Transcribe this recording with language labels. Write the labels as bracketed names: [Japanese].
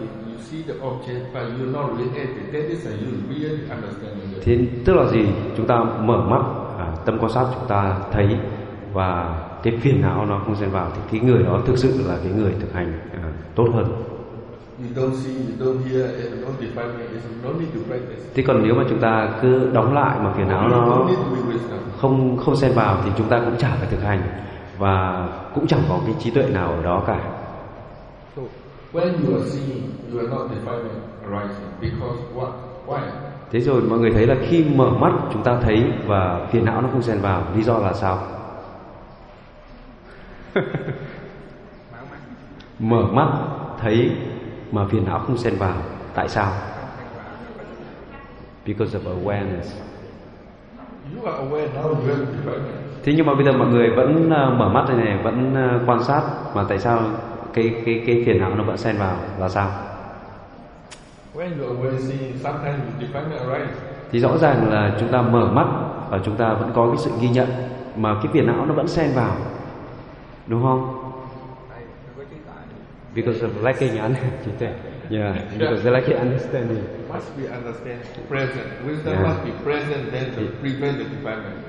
[English] You see the object, but you're not related. That is a you really understand. [Vietnamese] Tức là gì? Chúng ta mở mắt, tâm quan sát chúng ta thấy và cái phiền não nó không xen vào, thì cái người đó thực sự là cái người thực hành tốt hơn. [English] You don't see, you don't hear, and you don't define it. You don't need to practice. [Vietnamese] Thế còn nếu mà chúng ta cứ đóng lại mà phiền não nó không xen vào thì chúng ta cũng chẳng phải thực hành và cũng chẳng có cái trí tuệ nào ở đó cả. [English] When you are seeing, you are not defining arising because what? Why? [Vietnamese] Thế rồi mọi người thấy là khi mở mắt chúng ta thấy và phiền não nó không xen vào, lý do là sao? Mở mắt thấy mà phiền não không xen vào, tại sao? [English] Because of awareness. You are aware now, you are defining. [Vietnamese] Thế nhưng mà bây giờ mọi người vẫn mở mắt này này, vẫn quan sát, mà tại sao cái phiền não nó vẫn xen vào là sao? [English] When you awake, sometimes you define it right. [Vietnamese] Thì rõ ràng là chúng ta mở mắt và chúng ta vẫn có cái sự ghi nhận mà cái phiền não nó vẫn xen vào, đúng không? [English] Because of lacking understanding. Yeah, because of lacking understanding. Must be understand present. Wisdom must be present then to prevent the defilement.